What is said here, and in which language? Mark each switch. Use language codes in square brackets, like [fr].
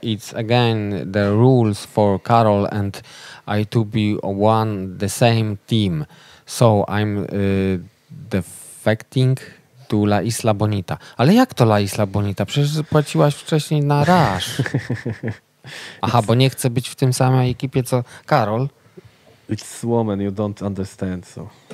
[en] It's again the rules for Carol and I to be one the same team. So I'm defecting to La Isla Bonita. [pl] Ale jak to La Isla Bonita? Przecież płaciłaś wcześniej na Rush. Aha, bo nie chcę być w tym samej ekipie co Karol. [en] It's woman, you don't understand, so.